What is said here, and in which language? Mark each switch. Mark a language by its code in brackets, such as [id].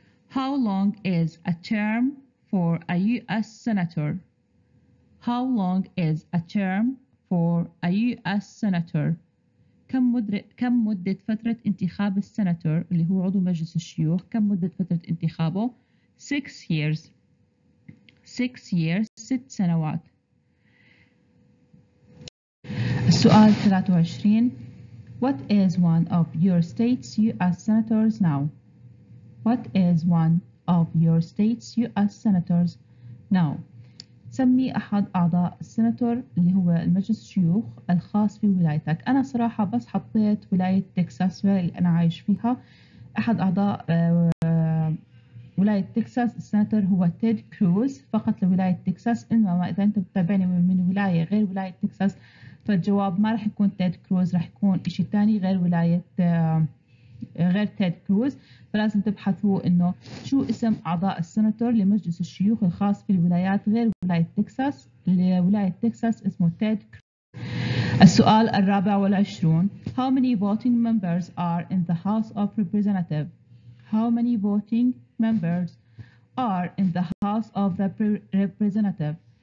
[en] How long is a term for a US senator? How long is a term for a US senator? [ar] كم مدة فترة انتخاب السناتور اللي هو عضو مجلس الشيوخ؟ كم مدة فترة انتخابه؟ [en] 6 years. 6 years. [ar] 6 سنوات. السؤال 23. [en] What is one of your state's US senators now? What is one of your state's US senators now? [ar] سمي أحد أعضاء السناتور اللي هو المجلس الشيوخ الخاص في ولايتك. أنا صراحة بس حطيت ولاية تكساس اللي أنا عايش فيها. أحد أعضاء ولاية تكساس السناتور هو تيد كروز فقط لولاية تكساس. إنما إذا أنت بتتابعني من ولاية غير ولاية تكساس فالجواب ما رح يكون تيد كروز، رح يكون إشي تاني غير ولاية غير تيد كروز. فلازم تبحثوا إنه شو اسم أعضاء السناتور لمجلس الشيوخ الخاص في الولايات غير ولاية تكساس. لولاية تكساس اسمه تيد كروز. السؤال 24. [en] How many voting members are in the House of Representatives? How many voting members are in the House of Representatives?